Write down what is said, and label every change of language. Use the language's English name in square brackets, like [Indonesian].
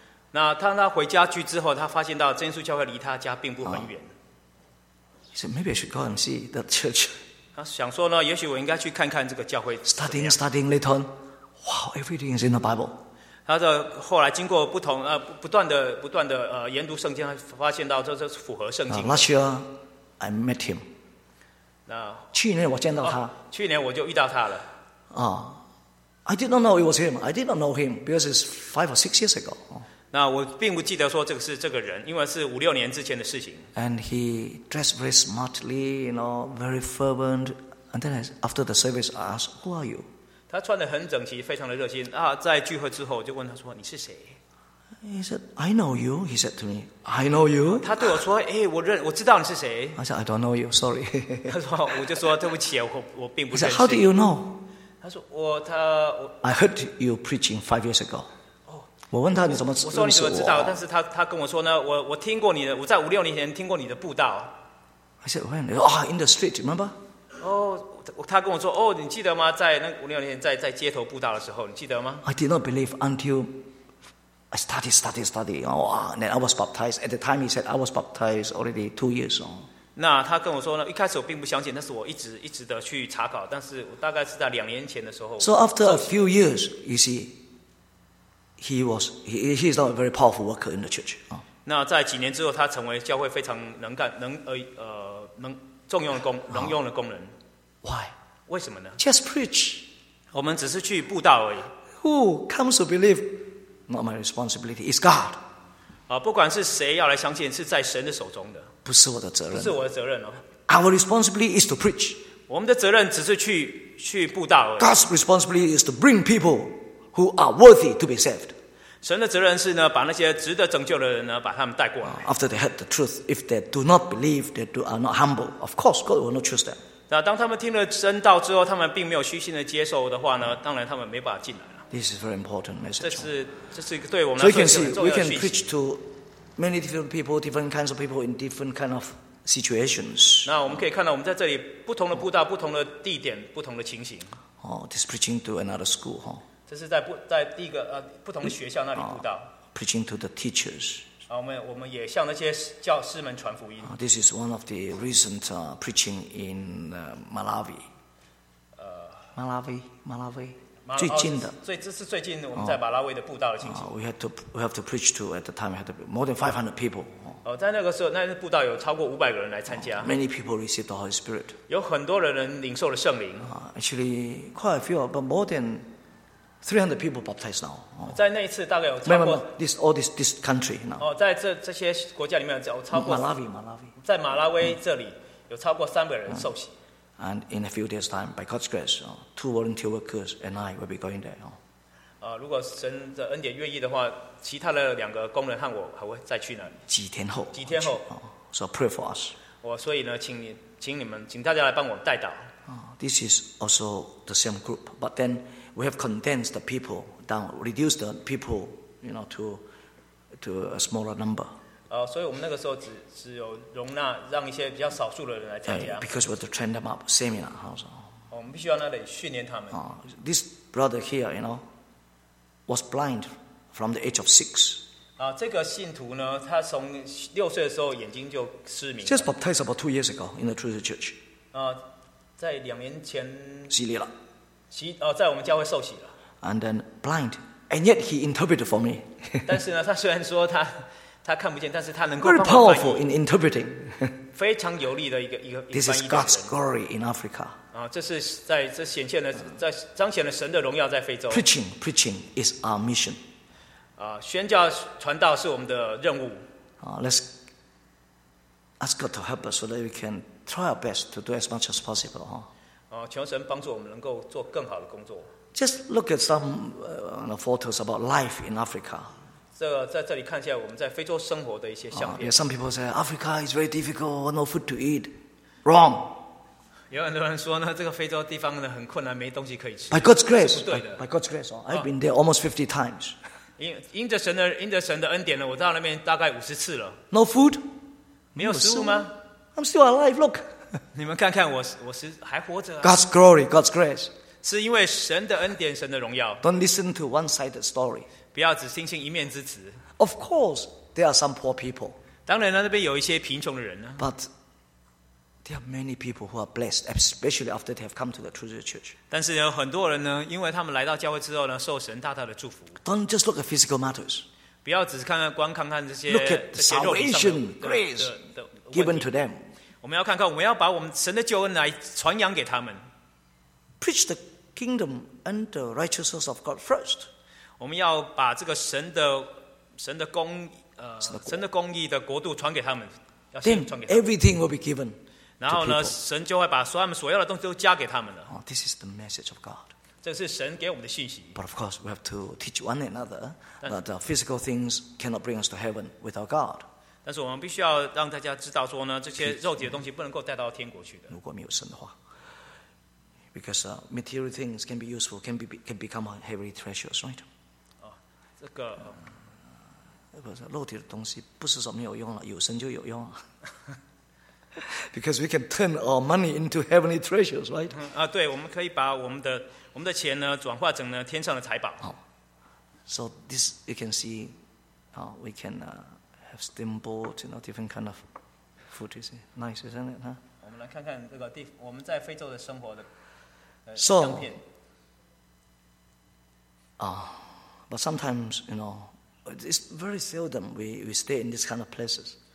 [Chinese] 那当他回家去之后，他发现到真耶稣教会离他家并不很远。 [English] He said, "Maybe I should go and see that church." [Chinese] 他想说呢，也许我应该去看看这个教会。 [English] Studying later on, wow, everything is in the Bible. [Chinese] 他的后来经过不同不断的研读圣经，发现到这是符合圣经。 [English] Last year, I met him. 那 [Chinese] 去年我见到他。去年我就遇到他了。 [English] I did not know it was him. I did not know him because it's 5 or 6 years ago. [Chinese] 那我并不记得说这个是这个人，因为是五六年之前的事情。 [English] And he dressed very smartly, you know, very fervent. And then after the service, I asked, "Who are you?" [Chinese] 他穿得很整齐，非常的热心啊。在聚会之后，我就问他说：“你是谁？” [English] He said, "I know you." He said to me, "I know you." [Chinese] 他对我说：“哎、欸，我知道你是谁。” [English] I said, "I don't know you. Sorry." [Chinese] 他说：“我就说对不起，我并不认识。” [English] He said, "How do you know?" I heard you preaching 5 years ago. [Chinese] 我问他你怎么认识我？我说你怎么知道？但是他跟我说呢，我听过你的，我在五六年前听过你的布道。 [English] I said when? Oh, in the street, remember? [Chinese] 他跟我说哦，你记得吗？在那五六年前在街头布道的时候，你记得吗 [English] ？I did not believe until I study. Oh, and then I was baptized. At the time, he said I was baptized already 2 years ago. [Chinese] 那他跟我说呢，一开始我并不相信，但是我一直的去查考，但是我大概是在两年前的时候。 [English] So after a few years, you see, he is not a very powerful worker in the church. [Chinese] 那在几年之后，他成为教会非常能干能能重用的工能用的工人。 [English] Why? [Chinese] 为什么呢 [English] ？Just preach. [Chinese] 我们只是去布道而已。 [English] Who comes to believe? Not my responsibility. It's God. [Chinese] 不管是谁要来相信，是在神的手中的。不是我的责任，不是我的责任 [English] 哦。Our responsibility is to preach. [Chinese] 我们的责任只是去布道而已。 [English] God's responsibility is to bring people who are worthy to be saved. [Chinese] 神的责任是呢，把那些值得拯救的人呢，把他们带过来。 [English] After they heard the truth, if they do not believe, they are not humble. Of course, God will not choose them. [Chinese] 那当他们听了真道之后，他们并没有虚心的接受的话呢，当然他们没办法进来了。 [English] This is very important message. [Chinese] 这是对我们来说很重要的讯息。 [English] So you can preach to. Many different people, different kinds of people in different kind of situations. [Chinese] 那我们可以看到，我们在这里不同的布道、不同的地点、不同的情形。 [English] This preaching to another school, [Chinese] 这是在第一个不同的学校那里布道。 [English] Preaching to the teachers. [Chinese] 我们也向那些教师们传福音。 [English] This is one of the recent preaching in Malawi. [Chinese] Malawi. 最近的，所以这是最近我们在马拉维的布道的情形。 [English] We have to preach to at the time had more than 500 people. [Chinese] 在那个时候，那布道有超过500个人来参加。 [English] Many people received the Holy Spirit. [Chinese] 有很多人领受了圣灵。 [English] Actually, quite a few, but more than 300 people baptized now. [Chinese] 在那一次大概有超过 [English] this country now. [Chinese] 在这些国家里面有超过马拉维，在马拉维这里有超过300人受洗。 [English] And in a few days' time, by God's grace, two volunteer workers and I will be going there. [Chinese] 如果神的恩典愿意的话，其他的两个工人和我还会再去那里。几天后。 [English] So pray for us. [Chinese] 所以呢，请你们，请大家来帮我代祷。 [English] This is also the same group, but then we have condensed the people down, reduced the people, you know, to a smaller number. [Chinese] 所以我们那个时候只有容纳让一些比较少数的人来参加。 [English] Because we have to train them up, seminar house. [Chinese] 我们必须要那里训练他们。 [English] This brother here, you know, was blind from the age of 6. [Chinese] 这个信徒呢，他从6岁的时候眼睛就失明。 [English] Just baptized about 2 years ago in the Truth Church. [Chinese] 在两年前洗礼了。在我们教会受洗了。 [English] And then blind, and yet he interpreted for me. [Chinese] 但是呢，他虽然说他看不见，但是他能够帮忙翻译。 [English] Very powerful in interpreting. [Chinese] 非常有力的一个翻译的人。 [English] This is God's glory in Africa. [Chinese] 这显现了，在彰显了神的荣耀在非洲。 [English] Preaching is our mission. [Chinese] 宣教传道是我们的任务。 [English] Let's ask God to help us so that we can try our best to do as much as possible. [Chinese] 求神帮助我们能够做更好的工作。 [English] Just look at some photos about life in Africa. [Chinese] 在这里看一下我们在非洲生活的一些相片。 [English] Yeah, some people say Africa is very difficult, no food to eat. Wrong. [Chinese] 有很多人说呢，这个非洲地方呢很困难，没东西可以吃。 [English] By God's grace, [Chinese] 是不对的。 [English] By God's grace, I've been there almost 50 times. [Chinese] 因着神的恩典呢，我到那边大概50次了。 [English] No food? [Chinese] 没有食物吗？ [English] I'm still alive. Look. [Chinese] 你们看看我是还活着、啊。 [English] God's glory, God's grace. [Chinese] 是因为神的恩典，神的荣耀。 [English] Don't listen to one-sided story. [Chinese] 不要只听信一面之词。 [English] Of course, there are some poor people. [Chinese] 当然呢，那边有一些贫穷的人呢。 [English] But there are many people who are blessed, especially after they have come to the True Church. [Chinese] 但是有很多人呢，因为他们来到教会之后呢，受神大大的祝福。 [English] Don't just look at physical matters. [Chinese] 不要只看看光看看这些。 [English] Look at the salvation grace given to them. [Chinese] 我们要看看，我们要把我们神的救恩来传扬给他们。 [English] Preach the kingdom and the righteousness of God first. [Chinese] 我们要把这个神的公义的国度传给他们。 [English] Then everything will be given. [Chinese] 然后呢，神就会把所他们所要的东西都加给他们了。 [English] This is the message of God. [Chinese] 这是神给我们的信息。 [English] But of course, we have to teach one another that physical things cannot bring us to heaven without God. [Chinese] 但是我们必须要让大家知道说呢，这些肉体的东西不能够带到天国去的。如果没有神的话 [English] ，because material things can be useful, can become heavenly treasures, right? [Chinese] 这个不是肉体的东西，不是说没有用了，有神就有用了。 [English] Because we can turn our money into heavenly treasures, right? [Chinese] 对，我们可以把我们的钱呢，转化成呢天上的财宝。 [English] So this you can see, we can. Have steamboat, different kind of food. Is it nice, isn't it? [Chinese] 我们来看看这个地，我们在非洲的生活的相片。 [English] But sometimes, it's very seldom we stay in this kind of places.